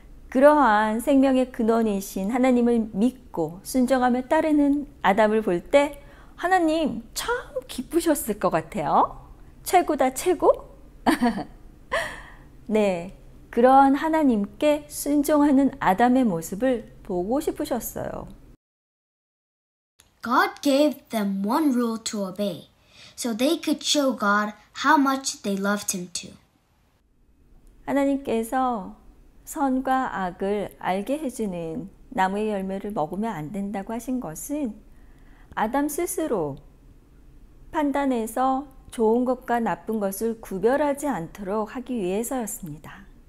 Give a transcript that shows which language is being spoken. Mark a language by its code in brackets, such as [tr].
[ko] 그러한 생명의 근원이신 하나님을 믿고 순종하며 따르는 아담을 볼 때 하나님 참 기쁘셨을 것 같아요. 최고다 최고? 네, 그러한 하나님께 순종하는 아담의 모습을 보고 싶으셨어요. [en] God gave them one rule to obey, so they could show God how much they loved him too. [ko] 하나님께서 선과 악을 알게 해주는 나무의 열매를 먹으면 안 된다고 하신 것은 아담 스스로 판단해서 좋은 것과 나쁜 것을 구별하지 않도록 하기 위해서였습니다.